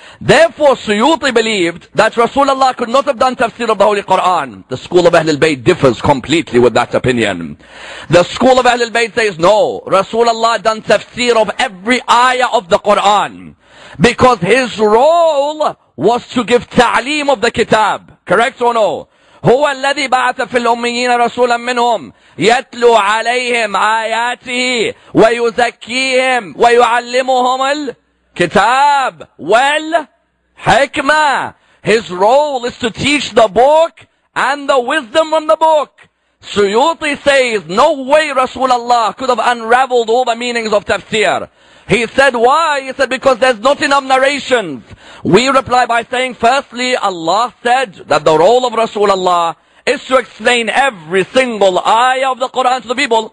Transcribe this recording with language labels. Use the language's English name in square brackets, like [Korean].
[English] Therefore, Suyuti believed that Rasulullah could not have done tafsir of the Holy Quran. The school of Ahlul Bayt differs completely with that opinion. The school of Ahlul Bayt says, no, Rasulullah done tafsir of every ayah of the Quran. Because his role was to give ta'aleem of the kitab. Correct or no? [Arabic] هو الذي بعث في الأميين رسولا منهم يتلو عليهم آياته ويزكيهم ويعلمهم الكتاب والحكمة. [English] His role is to teach the book and the wisdom from the book. Suyuti says, no way Rasulullah could have unraveled all the meanings of tafsir. He said, why? He said, because there's not enough narrations. We reply by saying, firstly, Allah said that the role of Rasulullah is to explain every single ayah of the Quran to the people.